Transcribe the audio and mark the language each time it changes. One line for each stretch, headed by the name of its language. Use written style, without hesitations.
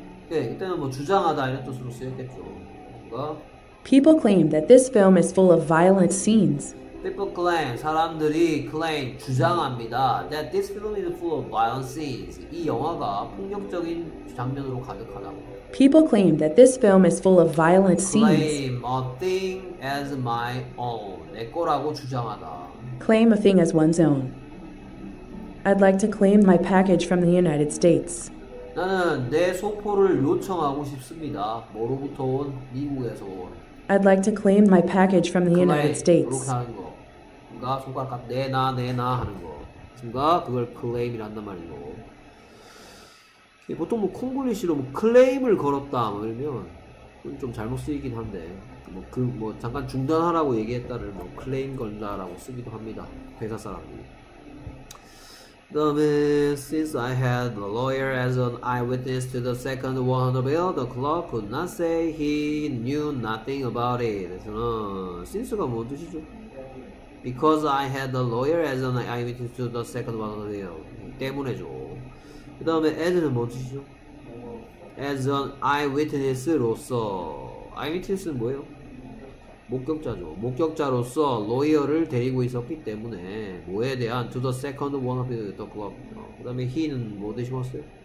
Korean: 네, 일단은 뭐 주장하다 이런 뜻으로 쓰였겠죠. 뭔가?
English: People claim that this film is full of violent scenes. People claim,
Korean: 사람들이 claim, 주장합니다.
English: That this film is full of violent scenes.
Korean: 이 영화가 폭력적인 장면으로 가득하다고.
English: People claim that this film is full of violent scenes. Claim a thing as my own.
Korean: 내 거라고 주장하다.
English: Claim a thing as one's own. I'd like to claim my package from the United States.
Korean: 나는 내 소포를 요청하고 싶습니다. 뭐로부터 온? 미국에서 온.
English: I'd like to claim my package from the United
Korean: claim. 이렇게
English: States.
Korean: 하는 거. 뭔가 손가락 내놔 하는 거. 뭔가 그걸 claim이란단 말이고. 보통 뭐 콩글리시로 뭐 claim을 걸었다 이러면 좀 잘못 쓰이긴 한데. 뭐그뭐 잠깐 중단하라고 얘기했다를 뭐 claim 걸다라고 쓰기도 합니다. 회사 사람들이. 그다음에
English: since I had a lawyer as an eyewitness to the second 100 bill, the clerk could not say he knew nothing about it.
Korean: 그래서는 since가 뭔 뜻이죠?
English: Because I had a lawyer as an eyewitness to the second 100 bill.
Korean: 때문에죠. 그다음에 as는 뭔 뜻이죠? As an eyewitness로서, eyewitness는 뭐예요? 목격자죠. 목격자로서 로이어를 데리고 있었기 때문에 뭐에 대한
English: to the second one of the club.
Korean: 그 다음에 he는 뭐 대신 왔어요?